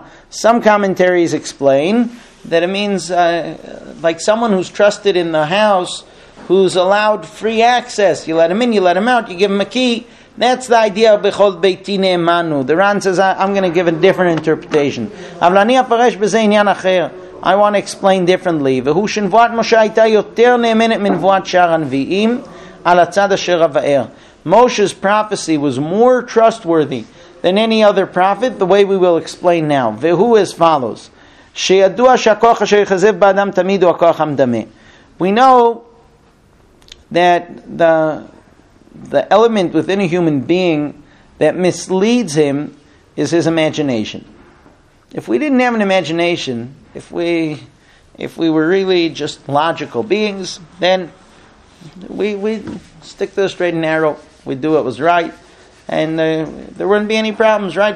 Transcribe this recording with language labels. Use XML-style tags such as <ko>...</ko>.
<en>Some commentaries explain that it means like someone who's trusted in the house, who's allowed free access. You let him in, you let him out, you give him a key. That's the idea of Bechol Beiti Ne'emanu. The Ran says, I'm going to give a different interpretation.</en> <he>אבל אני אפרש בזה עניין אחר.</he> <en>I want to explain differently.</en> <he>והוא שנבואת משה הייתה יותר נאמנת מנבואת שאר הנביאים על הצד אשר אבאר.</he> <en>Moshe's prophecy was more trustworthy than any other prophet, the way we will explain now.</en> <he>והוא</he> <en>as follows.</en> <he>שידוע שהכוח אשר יחזב באדם תמיד הוא הכוח המדמה.</he> <en>We know that the element within a human being that misleads him is his imagination. If we didn't have an imagination, if we were really just logical beings, then we stick to the straight and narrow, we'd do what was right, and there wouldn't be any problems, right?</en>